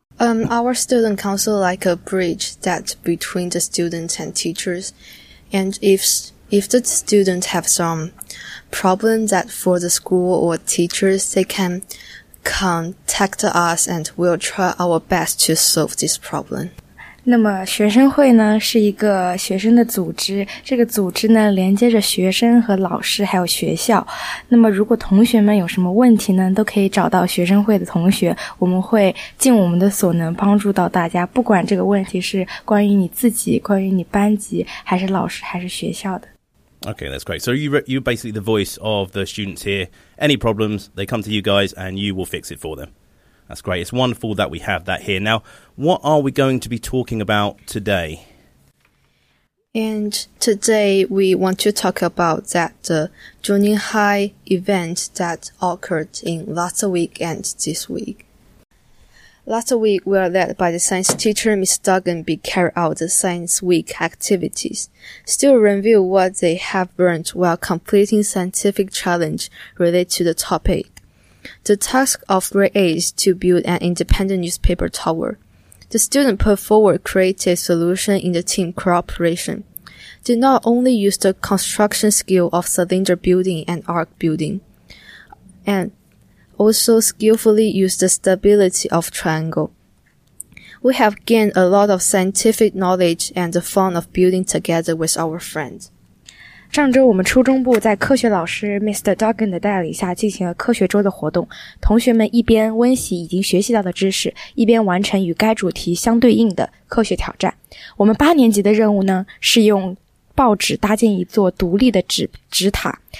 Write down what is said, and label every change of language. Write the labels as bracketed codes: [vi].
[en] Our student council is like a bridge that between the students and teachers. And if the students have some problems that for the school or teachers, they can contact us and we'll try our best to solve this problem. [zh] 那么学生会呢是一个学生的组织，这个组织呢连接着学生和老师还有学校。那么如果同学们有什么问题呢，都可以找到学生会的同学，我们会尽我们的所能帮助到大家，不管这个问题是关于你自己，关于你班级，还是老师，还是学校的。 [en] Okay, that's great. So you're basically the voice of the students here. Any problems, they come to you guys and you will fix it for them. That's great. It's wonderful that we have that here. Now, what are we going to be talking about today? And today we want to talk about that junior high event that occurred in last week and this week. Last week, we were led by the science teacher, Ms. Duggan, be carried out the science week activities. Students reveal what they have learned while completing scientific challenge related to the topic. The task of grade 8 is to build an independent newspaper tower. The student put forward creative solution in the team cooperation. They not only use the construction skill of cylinder building and arc building, and also skillfully use the stability of triangle. We have gained a lot of scientific knowledge and the fun of building together with our friends. [zh] 上周我们初中部在科学老师 Mr. Duggan 的带领下进行了科学周的活动，同学们一边温习已经学习到的知识，一边完成与该主题相对应的科学挑战。我们八年级的任务呢，是用报纸搭建一座独立的纸塔。